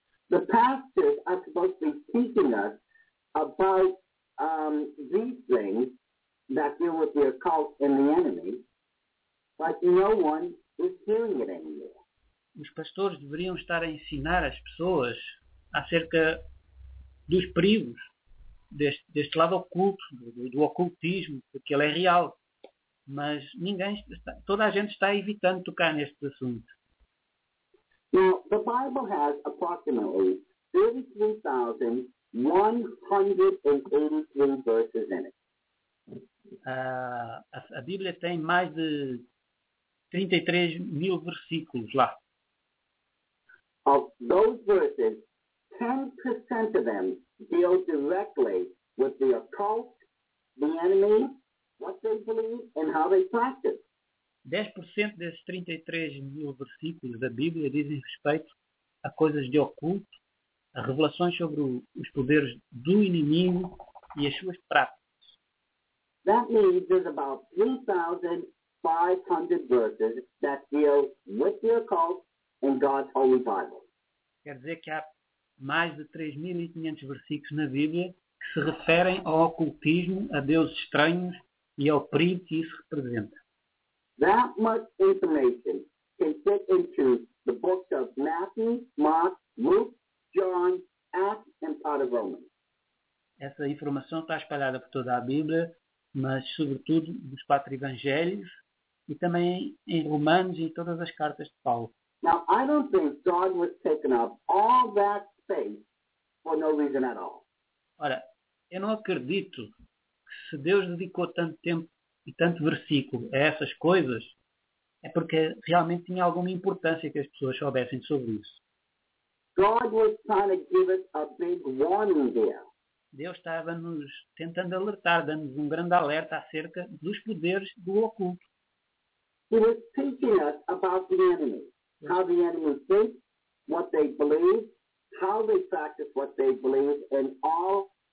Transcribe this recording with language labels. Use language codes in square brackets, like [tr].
[en] the pastors are supposed to be teaching us about these things that deal with the occult and the enemy, but no one is hearing it anymore. [pt] Os pastores deveriam estar a ensinar as pessoas acerca dos perigos deste lado oculto, do ocultismo, porque ele é real. Mas ninguém está, toda a gente está evitando tocar neste assunto. [en] Now, the Bible has approximately 33,183 verses in it. [pt] A Bíblia tem mais de 33 mil versículos lá. [en] Of those verses, 10% of them deal directly with the occult, the enemy, what they believe, and how they practice. [pt] 10% desses 33 mil versículos da Bíblia dizem respeito a coisas de oculto, a revelações sobre os poderes do inimigo e as suas práticas. [en] That means there's about 3,500 verses that deal with the occult and God's holy Bible. [pt] Quer dizer que há mais de 3.500 versículos na Bíblia que se referem ao ocultismo, a deuses estranhos e ao perigo que isso representa. [en] That much information can fit into the books of Matthew, Mark, Luke, John, Acts, and part of Romans. [pt] Essa informação está espalhada por toda a Bíblia, mas sobretudo nos quatro evangelhos e também em Romanos e em todas as cartas de Paulo. [en] Now, I don't think God was taking up all that space for no reason at all. [pt] Ora, eu não acredito que se Deus dedicou tanto tempo e tanto versículo a essas coisas, é porque realmente tinha alguma importância que as pessoas soubessem sobre isso. [en] God was trying to give us a big warning there. [pt] Deus estava nos tentando alertar, dando-nos um grande alerta acerca dos poderes do oculto. [en] He was teaching us about the enemy. How the enemy thinks, what they believe, how they practice what they believe, and all.